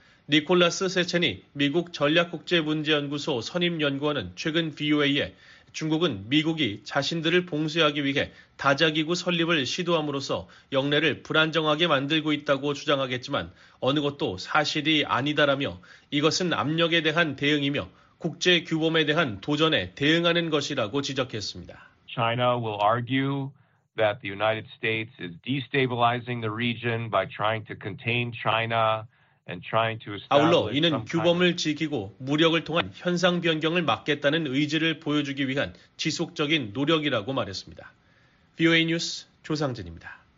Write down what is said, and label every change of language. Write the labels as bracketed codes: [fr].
[ko] 니콜라스 세첸이 미국 전략국제문제연구소 선임연구원은 최근 VOA에 중국은 미국이 자신들을 봉쇄하기 위해 다자기구 설립을 시도함으로써 영내를 불안정하게 만들고 있다고 주장하겠지만 어느 것도 사실이 아니다라며 이것은 압력에 대한 대응이며 국제 규범에 대한 도전에 대응하는 것이라고 지적했습니다. [en] China will argue that the United States is destabilizing the region by trying to contain China. [ko] 아울러 이는 규범을 지키고 무력을 통한 현상 변경을 막겠다는 의지를 보여주기 위한 지속적인 노력이라고 말했습니다. VOA 뉴스 조상진입니다.